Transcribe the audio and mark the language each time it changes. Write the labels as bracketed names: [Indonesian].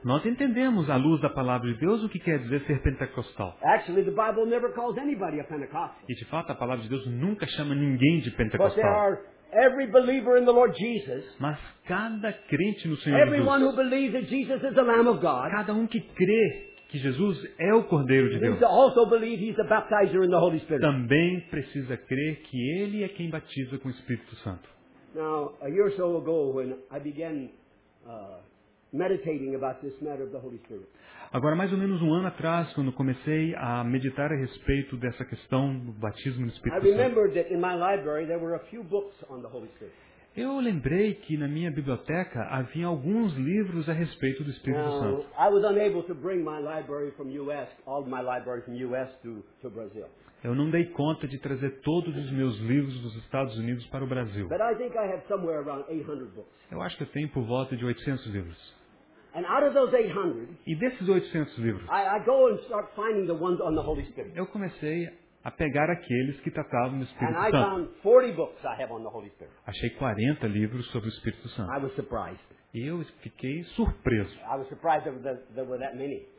[Portuguese] Nós entendemos, à luz da palavra de Deus, o que quer dizer ser pentecostal. [English] Actually, the Bible never calls anybody a Pentecostal. [Portuguese] E, de fato, a palavra de Deus nunca chama ninguém de pentecostal. [English] But there are every believer in the Lord Jesus, [Portuguese] mas cada crente no Senhor [English] everyone [Portuguese] Jesus, [English] who believes that Jesus is the Lamb of God, [Portuguese] cada um que crê que Jesus é o Cordeiro de Deus, [English] also believe he's the baptizer in the Holy Spirit. [Portuguese] Também precisa crer que Ele é quem batiza com o Espírito Santo. [English] Now, a year or so ago, when I began meditating about this matter of the Holy Spirit. [Portuguese] Agora, mais ou menos um ano atrás, quando comecei a meditar a respeito dessa questão do batismo no Espírito Santo. [English] I remembered that in my library there were a few books on the Holy Spirit. [Portuguese] Eu lembrei que na minha biblioteca havia alguns livros a respeito do Espírito Santo. [English] Now, I was unable to bring my library from US, all my library from US to Brazil. [Portuguese] Eu não dei conta de trazer todos os meus livros dos Estados Unidos para o Brasil. [English] But I think I have somewhere around 800 books. [Portuguese] Eu acho que eu tenho por volta de 800 livros. [English] And out of those 800, [Portuguese] e desses 800 livros, [English] I go and start finding the ones on the Holy Spirit. [Portuguese] Eu comecei a pegar aqueles que tratavam do Espírito [English] and [Portuguese] Santo. [English] I found 40 books I have on the Holy Spirit. [Portuguese] Achei 40 livros sobre o Espírito Santo. [English] I was surprised. [Portuguese] Eu fiquei surpreso. [English] I was surprised that there were that many.